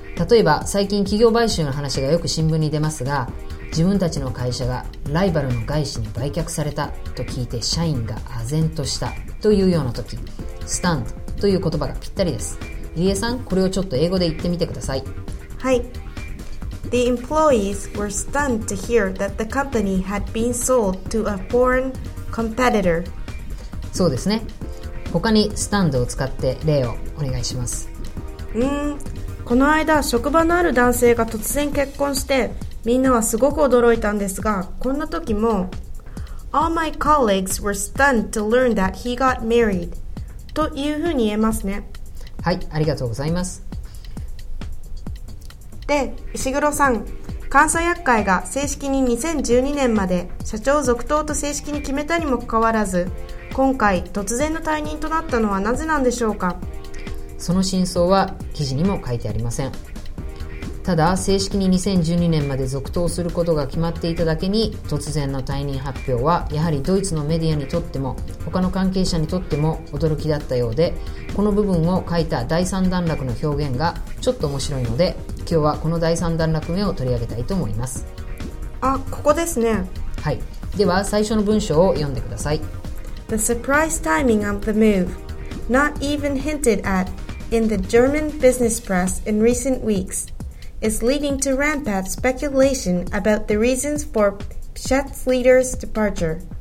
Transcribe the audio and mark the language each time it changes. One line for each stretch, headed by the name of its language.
Japanese: 例えば最近企業買収の話がよく新聞に出ますが、自分たちの会社がライバルの外資に売却されたと聞いて社員が唖然としたというような時、 Stun という言葉がぴったりです。リエさん、これをちょっと英語で言ってみてください。はい。
English: The employees were stunned to hear that the company had been sold to a foreign competitor.
Japanese: そうですね。他にスタンドを使って例をお願いします。この間職場のある男性が突然結婚してみんなはすごく驚いたんですが、こんな時も
English: All my colleagues were stunned to learn that he got married
Japanese: というふうに言えますね。はい、ありがとうございます。で、石黒さん、監査役会が正式に2012年まで社長続投と正式に決めたにもかかわらず、今回突然の退任となったのはなぜなんでしょうか？その真相は記事にも書いてありません。ただ正式に2012年まで続投することが決まっていただけに、突然の退任発表はやはりドイツのメディアにとっても他の関係者にとっても驚きだったようで、この部分を書いた第三段落の表現がちょっと面白いので、今日はこの第三段落目を取り上げたいと思います。あ、ここですね。はい、では最初の文章を読んでください。
English: The surprise timing of the move not even hinted at in the German business press in recent weeks is leading to rampant speculation about the reasons for Pichet's leader's departure.